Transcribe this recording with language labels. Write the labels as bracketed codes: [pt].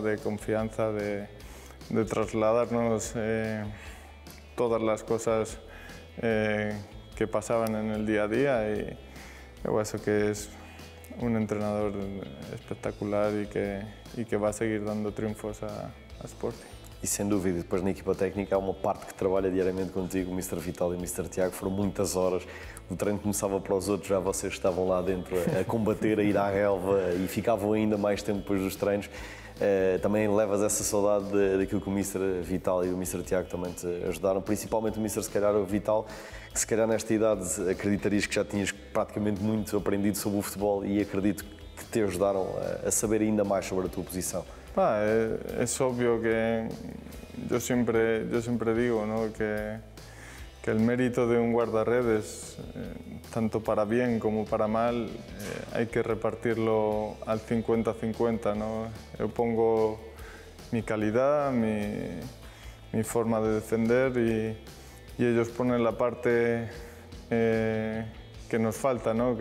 [es] De confianza, de trasladarnos todas las cosas que pasaban en el día a día y eso que es un entrenador espectacular y que va a seguir dando triunfos a Sporting. [pt] E sem dúvida, depois na equipa técnica há uma parte que trabalha diariamente contigo, o Mr. Vital e o Mr. Tiago, foram muitas horas. O treino começava para os outros, já vocês estavam lá dentro a combater, a ir à relva e ficavam ainda mais tempo depois dos treinos. Também levas essa saudade daquilo que o Mr. Vital e o Mr. Tiago também te ajudaram, principalmente o Mr. se calhar o Vital, que se calhar nesta idade acreditarias que já tinhas praticamente muito aprendido sobre o futebol e acredito que te ajudaram a saber ainda mais sobre a tua posição. [es] Ah, es obvio que yo siempre digo, ¿no? que el mérito de un guardarredes, tanto para bien como para mal, hay que repartirlo al 50-50, ¿no? Yo pongo mi calidad, mi forma de defender y ellos ponen la parte que nos falta, ¿no?